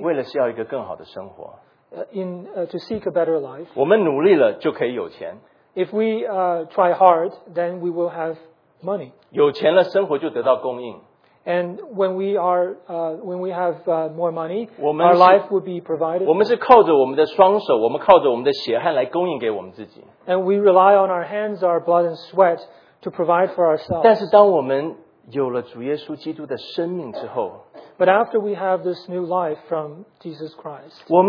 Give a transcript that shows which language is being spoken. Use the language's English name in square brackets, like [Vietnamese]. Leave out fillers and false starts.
[Chinese] 为了是要一个更好的生活, [English] To seek a better life. [Chinese] 我们努力了就可以有钱, [English] if we try hard, then we will have money. [Chinese] 有钱了生活就得到供应, [English] and when we have more money, [Chinese] 我们是, [English] our life will be provided. [Chinese] 我们是靠着我们的双手, 我们靠着我们的血汗来供应给我们自己, [English] and we rely on our hands, our blood and sweat to provide for ourselves. [Chinese] 但是当我们有了主耶稣基督的生命之后, [English] but after we have this new life from Jesus Christ,